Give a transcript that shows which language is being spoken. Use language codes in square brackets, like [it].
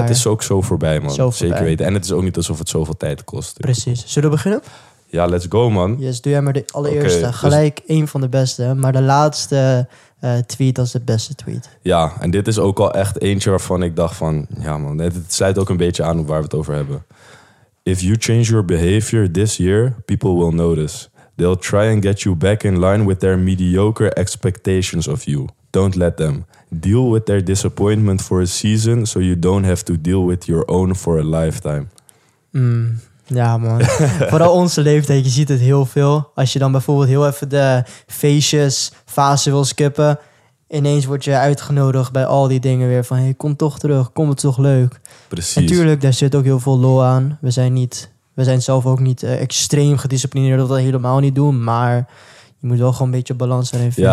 [nl] Het is ook zo voorbij, man. Zo voorbij. Zeker weten. En het is ook niet alsof het zoveel tijd kost. Precies. Zullen we beginnen? [en] Ja, let's go, man. [nl] Yes, doe jij maar de allereerste. Okay, gelijk dus één van de beste. Maar de laatste tweet was de beste tweet. Ja, en dit is ook al echt eentje waarvan ik dacht van, ja, man, het sluit ook een beetje aan op waar we het over hebben. [en] If you change your behavior this year, people will notice. They'll try and get you back in line with their mediocre expectations of you. Don't let them. Deal with their disappointment for a season so you don't have to deal with your own for a lifetime. [nl] Ja, man. Vooral onze leeftijd, je ziet het heel veel. Als je dan bijvoorbeeld heel even de feestjes fase wil skippen, ineens word je uitgenodigd bij al die dingen weer van, hey, kom toch terug, kom, het toch leuk. Precies. Natuurlijk, daar zit ook heel veel lol aan. We zijn zelf ook niet extreem gedisciplineerd, dat helemaal niet doen, maar je moet wel gewoon een beetje balans erin vinden.